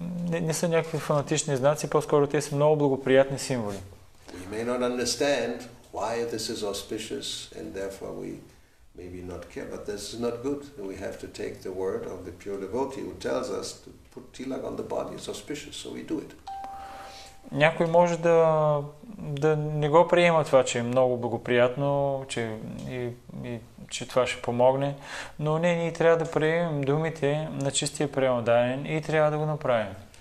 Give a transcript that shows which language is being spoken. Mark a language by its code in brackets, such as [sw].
[bg] Не са някакви фанатични знаци, по-скоро те са много благоприятни символи. [en] We may not understand why this is auspicious and therefore we maybe not care, but this is not good. We have to take the word of the pure devotee who tells us to put tilak on the body. It's auspicious, so we do it. [bg] Някой може да не го приема това, че е много благоприятно, че, че това ще помогне, но не, ние трябва да приемем думите на чистия преводаен и трябва да го направим.